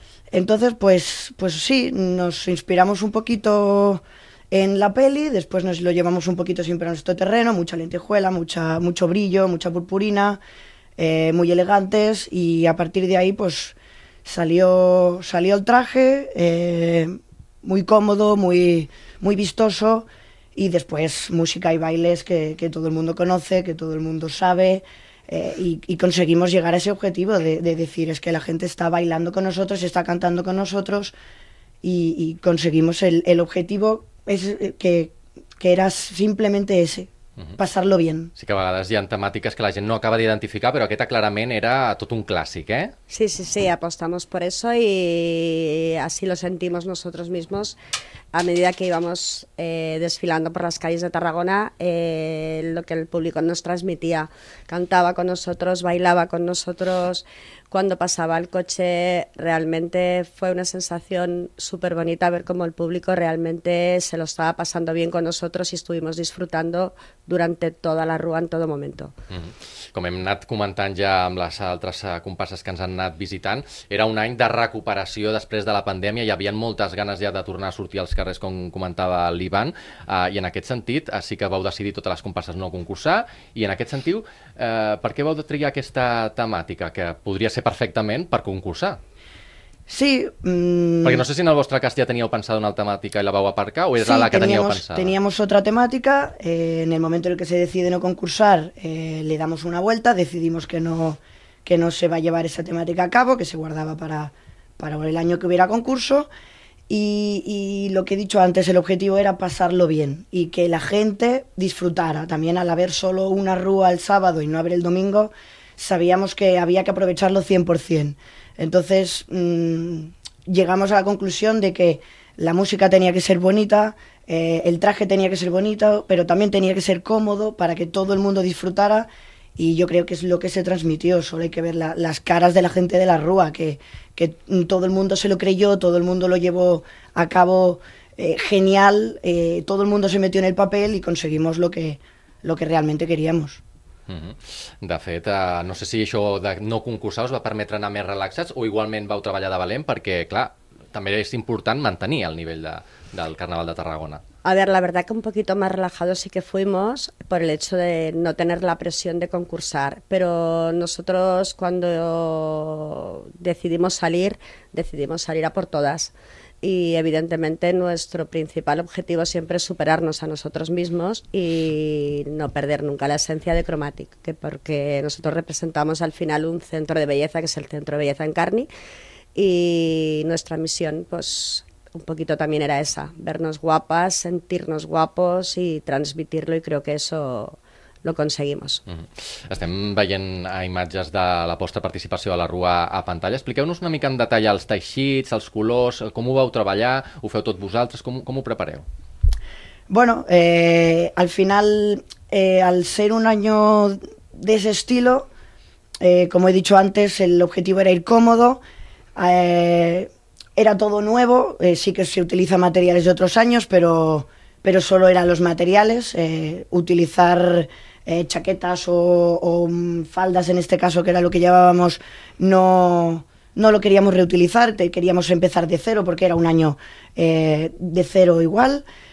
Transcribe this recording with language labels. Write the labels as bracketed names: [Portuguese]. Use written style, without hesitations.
[Spanish] Entonces, pues sí, nos inspiramos un poquito en la peli, después nos lo llevamos un poquito siempre a nuestro terreno, mucha lentejuela, mucho brillo, mucha purpurina, muy elegantes y a partir de ahí pues Salió el traje, muy cómodo, muy, muy vistoso, y después música y bailes que todo el mundo conoce, que todo el mundo sabe, y conseguimos llegar a ese objetivo de decir, es que la gente está bailando con nosotros, está cantando con nosotros, y conseguimos el objetivo es que era simplemente ese. [Catalan] Passar-lo bé. Sí que a vegades hi ha temàtiques que la gent no acaba d'identificar, però aquesta clarament era tot un clàssic, eh? [Spanish] Sí, sí, sí, apostamos por eso y así lo sentimos nosotros mismos a medida que íbamos desfilando por las calles de Tarragona, lo que el público nos transmitía. Cantaba con nosotros, bailaba con nosotros, cuando pasaba el coche realmente fue una sensación súper bonita ver cómo el público realmente se lo estaba pasando bien con nosotros y estuvimos disfrutando durante toda la rúa en todo momento. [Catalan] Com hem anat comentant ja amb les altres comparses que ens han anat visitant, era un any de recuperació després de la pandèmia, hi havia moltes ganes ja de tornar a sortir als carrers, com comentava l'Ivan, i en aquest sentit sí que vau decidir totes les comparses no concursar, i en aquest sentit, per què vau triar aquesta temàtica, que podria ser perfectament per concursar? Sí. Perquè no sé si en el vostre cas ja teníeu pensat una altra temàtica i la vau aparcar, o era sí, la que teníeu pensada? [Spanish] Teníamos otra temática. En el momento en el que se decide no concursar, le damos una vuelta, decidimos que no se va a llevar esa temática a cabo, que se guardaba para el año que hubiera concurso. Y lo que he dicho antes, el objetivo era pasarlo bien y que la gente disfrutara. También al haber solo una rúa el sábado y no haber el domingo, sabíamos que había que aprovecharlo 100%. Entonces llegamos a la conclusión de que la música tenía que ser bonita, el traje tenía que ser bonito, pero también tenía que ser cómodo para que todo el mundo disfrutara, y yo creo que es lo que se transmitió. Solo hay que ver las caras de la gente de la rúa, que todo el mundo se lo creyó, todo el mundo lo llevó a cabo genial, todo el mundo se metió en el papel y conseguimos lo que realmente queríamos. [Catalan] De fet, no sé si això de no concursar us va permetre anar més relaxats o igualment vau treballar de valent, perquè, clar, també és important mantenir el nivell del Carnaval de Tarragona. [Spanish] A ver, la verdad que un poquito más relajados sí que fuimos por el hecho de no tener la presión de concursar, pero nosotros cuando decidimos salir a por todas. y evidentemente nuestro principal objetivo siempre es superarnos a nosotros mismos y no perder nunca la esencia de Cromatic, que porque nosotros representamos al final un centro de belleza, que es el Centro de Belleza Encarni, y nuestra misión pues un poquito también era esa, vernos guapas, sentirnos guapos y transmitirlo, y creo que eso lo conseguimos. [Catalan] Estem veient imatges de la vostra participació a la rua a pantalla. Expliqueu-nos una mica en detall els teixits, els colors, com ho vau treballar, ho feu tot vosaltres, com ho prepareu? [Spanish] Bueno, al final, al ser un año de ese estilo, como he dicho antes, el objetivo era ir cómodo, era todo nuevo, sí que se utiliza materiales de otros años, pero solo eran los materiales, utilizar chaquetas o faldas, en este caso, que era lo que llevábamos, no lo queríamos reutilizar, queríamos empezar de cero, porque era un año de cero igual.